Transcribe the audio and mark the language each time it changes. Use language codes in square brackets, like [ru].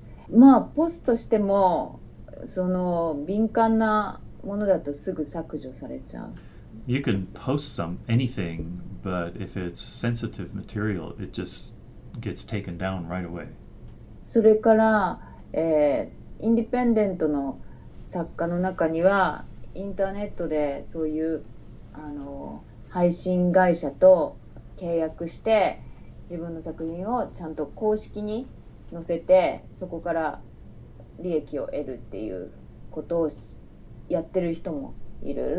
[ja] まあ、ポストしても、その敏感なものだとすぐ削除されちゃう。 [en] You can post anything, but if it's sensitive material, it just gets taken down right away. [ja] それから、インディペンデントの作家の中には、インターネットでそういうあの配信会社と契約して自分の作品をちゃんと公式に載せて、そこから利益を得るっていうことをやってる人もいる。